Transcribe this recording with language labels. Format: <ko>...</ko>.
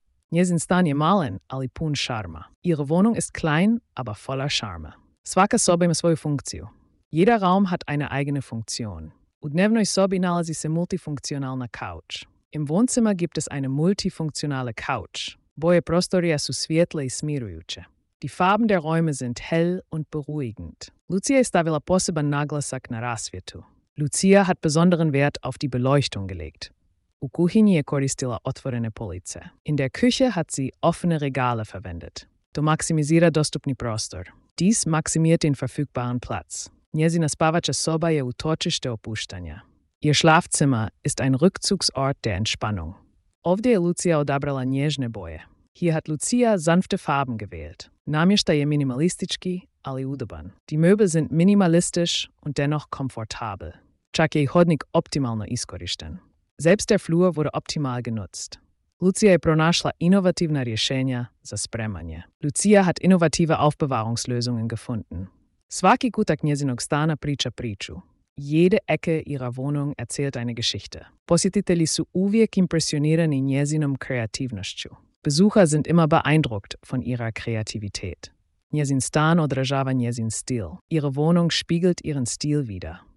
<hr>Njezin stan je malen, ali pun charma.</hr> <de>Ihre Wohnung ist klein, aber voller Charme.</de> <hr>Svaka soba ima svoju funkciju.</hr> <de>Jeder Raum hat eine eigene Funktion.</de> <hr>U dnevnoj sobi nalazi se multifunkcionalna couch.</hr> <de>Im Wohnzimmer gibt es eine multifunktionale Couch.</de> <hr>Boje prostorija su svjetle i smirujuće.</hr> <de>Die Farben der Räume sind hell und beruhigend.</de> <hr>Lucia je stavila poseban naglasak na rasvjetu.</hr> <de>Lucia hat besonderen Wert auf die Beleuchtung gelegt.</de> <hr>U kuhinji je koristila otvorene police.</hr> <de>In der Küche hat sie offene Regale verwendet.</de> <hr>To maksimizira dostupni prostor.</hr> <de>Dies maximiert den verfügbaren Platz.</de> <hr>Njezina spavača soba je utočište opuštanja.</hr> <de>Ihr Schlafzimmer ist ein Rückzugsort der Entspannung.</de> <hr>Ovdje je Lucia odabrala nježne boje.</hr> <de>Hier hat Lucia sanfte Farben gewählt.</de> <hr>Namještaj je minimalistički, ali udoban.</hr> <de>Die Möbel sind minimalistisch und dennoch komfortabel.</de> <hr>Čak je i hodnik optimalno iskorišten.</hr> <de>Selbst der Flur wurde optimal genutzt.</de> <hr>Lucia je pronašla inovativna rješenja za spremanje.</hr> <de>Lucia hat innovative Aufbewahrungslösungen gefunden.</de> <hr>Svaki kutak njezinog stana priča priču.</hr> <de>Jede Ecke ihrer Wohnung erzählt eine Geschichte.</de> <hr>Posjetitelji su uvijek impressionirani njezinom kreativnošću.</hr> <de>Besucher sind immer beeindruckt von ihrer Kreativität.</de> <hr>Njezin stan odražava njezin stil.</hr> <de>Ihre Wohnung spiegelt ihren Stil wider.</de>